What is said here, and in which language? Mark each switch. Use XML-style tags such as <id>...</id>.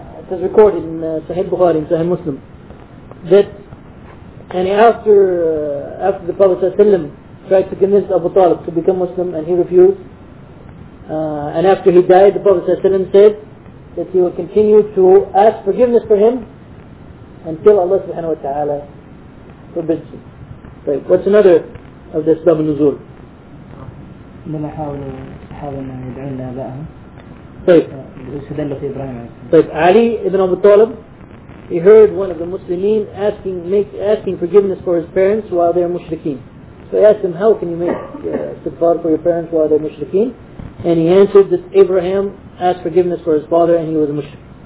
<en>It is recorded in Sahih Bukhari, in Sahih Muslim, that and after the Prophet ﷺ tried to convince Abu Talib to become Muslim, and he refused, and after he died, the Prophet ﷺ said that he will continue to ask forgiveness for him, until Allah subhanahu wa ta'ala forbids him.</en> <ar>طيب</ar> <en>what's another of the</en> <ar>أسباب النزول؟ لما حاولوا أن يدعون لأبائهم. طيب استدل في إبراهيم. طيب</ar> <en>علي ابن أبي طالب he heard one of the Muslimin asking asking forgiveness for his parents while they're mushrikeen. So he asked him how can you make istighfar for your parents while they're mushrikeen? And he answered that Abraham asked forgiveness for his father and he was a mushrik.</en>